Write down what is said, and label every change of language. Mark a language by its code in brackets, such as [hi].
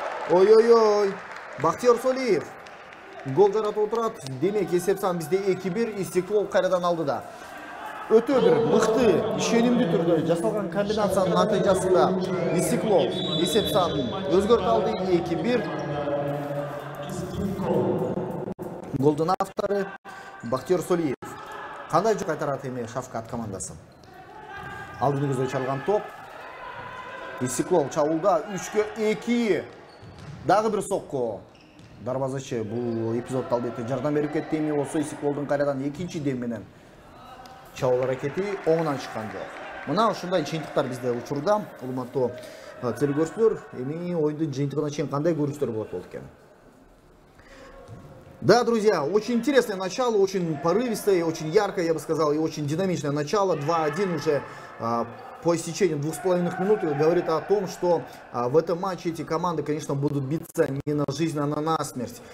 [ky] Ой-ой-ой. Бахтиёр Солиев гол жаратып отурат. Демек эсеп сан бизде 2-1. Истиклол кайрадан алды да. Өтө бир мыкты, ишенимдүү түрдө жасалган комбинациянын натыйжасында Истиклол эсеп санын өзгөртүп алды. 2-1. Голдун автору Бахтиёр Солиев. Кандай жок кайтарат эми Шавкат командасы. Алдыны көздөй чыгарылган топ. Истиклол чабуулда 3-2. Дагы бир сокку. Дарбазачы бул эпизодду албетте жардам берип кетти. Эми болсо Истиклолдун кайрадан экинчи дем менен чалы ракеты оңынан чыккан жок. Мына ушундай жыйынтыктар бизде учурда улуматтуу телекөрүүчүлөр, эми ойду жыйынтыгына чейин кандай көрүнүштөр болот экен? [ru] Да, друзья, очень интересное начало, очень порывистое, очень яркое, я бы сказал, и очень динамичное начало. 2-1 уже по истечении 2,5 минуты говорит о том, что в этом матче эти команды, конечно, будут биться не на жизнь, а на насмерть.